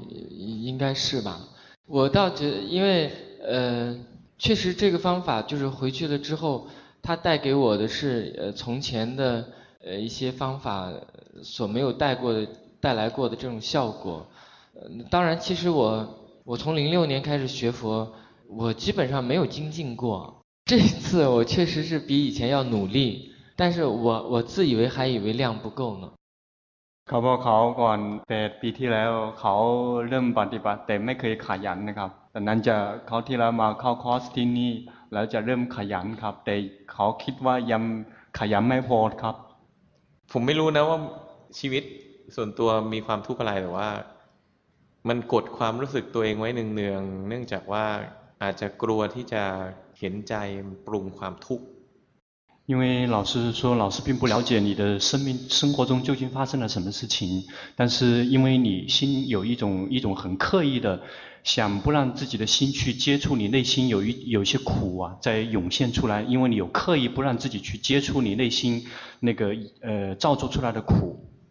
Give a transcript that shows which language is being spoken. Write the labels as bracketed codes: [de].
[zh] 应该是吧我倒觉得因为确实这个方法就是回去了之后它带给我的是从前的一些方法所没有带来过的这种效果当然其实我从06年开始学佛我基本上没有精进过这次我确实是比以前要努力但是我自以为还以为量不够呢 [th] ครับเขาก่อน8ปีที่แล้วเขาเริ่มปฏิบัติแต่ไม่เคยขยันนะครับดังนั้นจะเขาที่แล้วมาเข้าคอร์สที่นี่แล้วจะเริ่มขยันครับแต่เขาคิดว่ายังขยันไม่พอครับ ผมไม่รู้นะว่าชีวิตส่วนตัวมีความทุกข์อะไรแต่ว่ามันกดความรู้สึกตัวเองไว้เนืองๆเนื่องจากว่าอาจจะกลัวที่จะเห็นใจปรุงความทุกข์ [zh] 因为老师说老师并不了解你的生活中究竟发生了什么事情但是因为你心有一种很刻意的想不让自己的心去接触你内心有一些苦啊在涌现出来因为你有刻意不让自己去接触你内心那个造作出来的苦